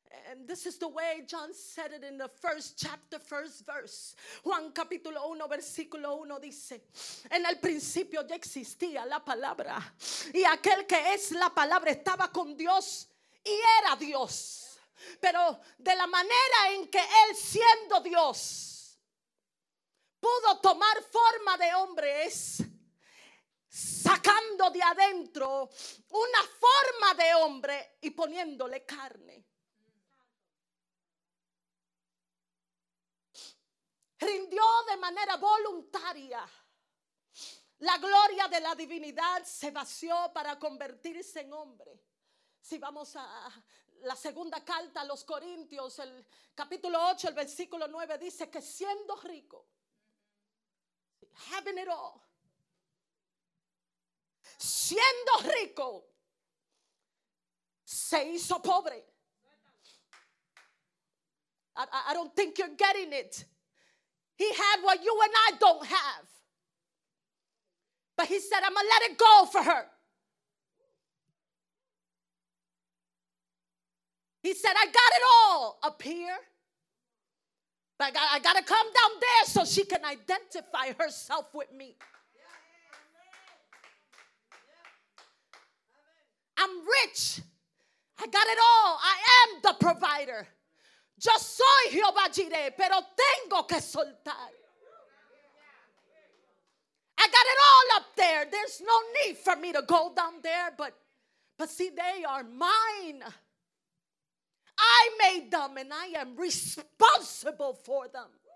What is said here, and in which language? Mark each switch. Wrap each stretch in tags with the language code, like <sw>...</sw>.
<en>And this is the way John said it in the first chapter, first verse.</en> <es>Juan capítulo 1, versículo 1 dice, en el principio ya existía la palabra, y aquel que es la palabra estaba con Dios y era Dios. Pero de la manera en que él, siendo Dios, pudo tomar forma de hombre, es sacando de adentro una forma de hombre y poniéndole carne. Rindió de manera voluntaria la gloria de la divinidad, se vació para convertirse en hombre. Si vamos a la segunda carta a los Corintios, el capítulo 8, el versículo 9, dice que siendo rico,</es> <en>having it all,</en> <es>siendo rico, se hizo pobre.</es> <en>I don't think you're getting it. He had what you and I don't have. But he said, I'm going to let it go for her. He said, I got it all up here. But I got to come down there so she can identify herself with me. I'm rich. I got it all. I am the provider.</en> <es>Yo soy Jehová Jireh, pero tengo que soltar.</es> <en>I got it all up there. There's no need for me to go down there, but see, they are mine. I made them, and I am responsible for them.</en>